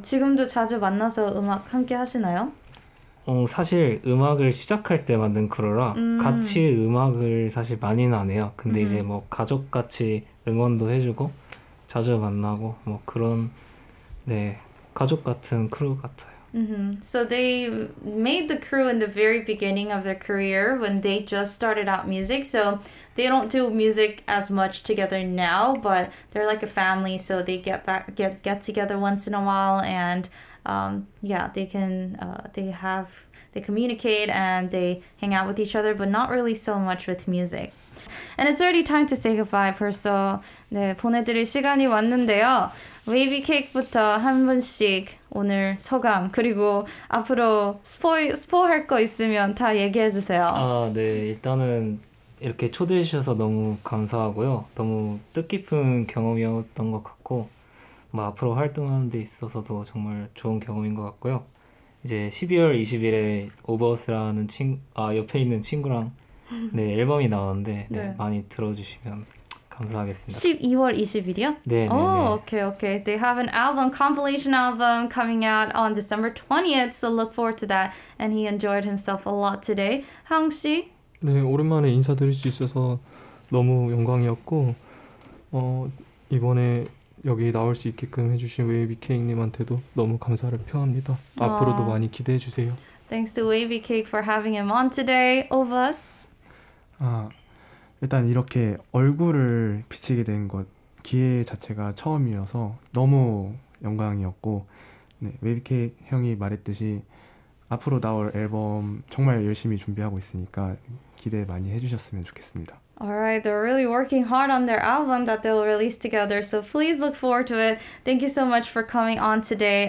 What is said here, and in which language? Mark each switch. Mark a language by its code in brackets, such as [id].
[ko] 지금도 자주 만나서 음악 함께 하시나요? 사실 음악을 시작할 때 만든 크루라 같이 음악을 사실 많이는 안 해요. 근데 이제 뭐 가족같이 응원도 해주고 자주 만나고 뭐 그런 네 가족 같은 크루 같아요. Mm-hmm. [en] So they made the crew in the very beginning of their career when they just started out music. So they don't do music as much together now, but they're like a family. So they get together once in a while, and yeah, they can they communicate and they hang out with each other, but not really so much with music. And it's already time to say goodbye, [ko] 벌써 네, 보내드릴 시간이 왔는데요. Wavy Cake부터 한 분씩 오늘 소감, 그리고 앞으로 스포 할 거 있으면 다 얘기해 주세요. 아, 네. 일단은 이렇게 초대해 주셔서 너무 감사하고요. 너무 뜻깊은 경험이었던 것 같고, 뭐 앞으로 활동하는 데 있어서도 정말 좋은 경험인 것 같고요. 이제 12월 20일에 오버워스라는 옆에 있는 친구랑 네, 앨범이 나왔는데 네. 네, 많이 들어주시면 감사하겠습니다. 12월 20일이요? 네. 오, 오케이, 오케이. [en] They have an album, compilation album coming out on December 20th, so look forward to that. And he enjoyed himself a lot today. 하웅 씨? [ko] 네, 오랜만에 인사드릴 수 있어서 너무 영광이었고 이번에 여기 나올 수 있게끔 해주신 웨이비케이님한테도 너무 감사를 표합니다. 와. 앞으로도 많이 기대해 주세요. [en] Thanks to WavyCake for having him on today, of us. [ko] 일단 이렇게 얼굴을 비치게 된 것 기회 자체가 처음이어서 너무 영광이었고 네, 웨이비케이 형이 말했듯이 앞으로 나올 앨범 정말 열심히 준비하고 있으니까 기대 많이 해주셨으면 좋겠습니다. [en] Alright, they're really working hard on their album that they'll release together, so please look forward to it. Thank you so much for coming on today.